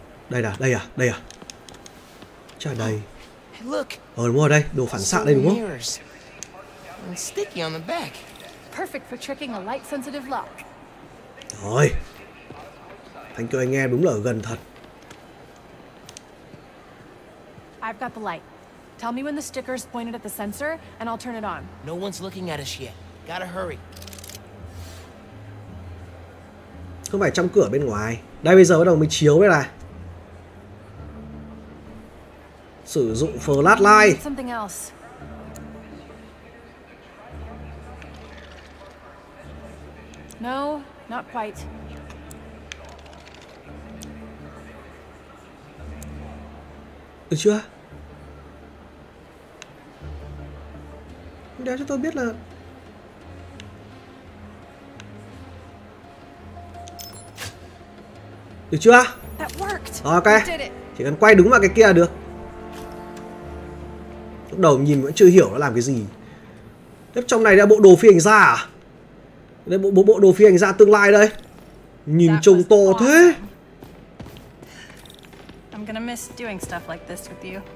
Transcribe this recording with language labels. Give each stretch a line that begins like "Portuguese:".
Vietnamese: Đây à? Chà đây. Ở đúng rồi đây, đồ phản xạ đây đúng không?
English: Sticky on the back. Perfect for tricking a light sensitive lock. Rồi. Thank you
Vietnamese: anh em, đúng là ở gần thật.
English: I've got the light. Tell me when the sticker is pointed at the sensor and I'll turn it on. No one's looking at us yet. Gotta hurry.
Vietnamese: Không phải trong cửa bên ngoài. Đây bây giờ bắt đầu mới chiếu đây này. Sử dụng flashlight.
English: No, not quite.
Vietnamese: Được chưa? Để cho tôi biết là được chưa? Ok, chỉ cần quay đúng vào cái kia là được. Lúc đầu nhìn vẫn chưa hiểu nó làm cái gì. Tiếp trong này là bộ đồ phi hành gia à? Đây bộ đồ phi hành gia tương lai đây. Nhìn trông to thế.
English: I'm gonna miss doing stuff like this with you.